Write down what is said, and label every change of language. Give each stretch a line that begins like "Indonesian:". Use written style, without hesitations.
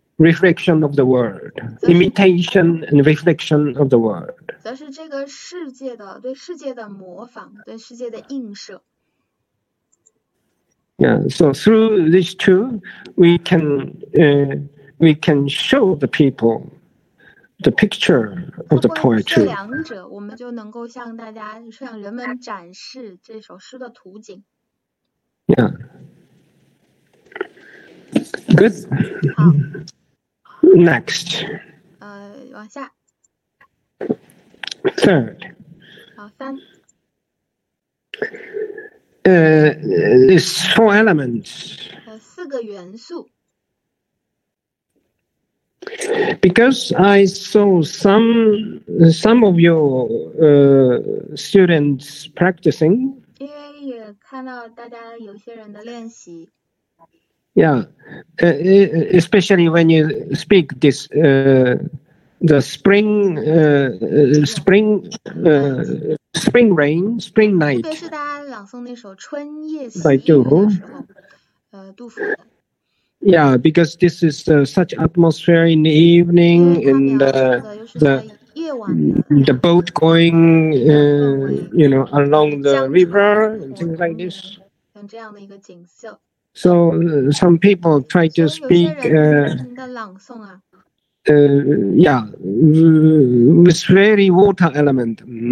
English: reflection of the world, imitation and reflection of the world.
Chinese: 则是这个世界的对世界的模仿，对世界的映射。
English: Yeah, so through these two, we can show the people the picture of the poetry.
Chinese: 通过这两者，我们就能够向大家向人们展示这首诗的图景。
English: Yeah. Good. Next.
Chinese: 往下。
English: Third.
Chinese: 好，三。
English: These four elements.
Chinese: 四个元素。
English: Because I saw some of your students practicing.
Chinese: 因为也看到大家有些人的练习。
English: Yeah, especially when you speak this, the spring rain, spring night.
Chinese: 特别是大家朗诵那首《春夜喜雨》 的时候，杜甫。
English: Yeah, because this is such atmosphere in the evening, and the boat going, you know, along the river and things like this.
Chinese: 像这样的一个景色。
English: So some people try to speak, with very water element.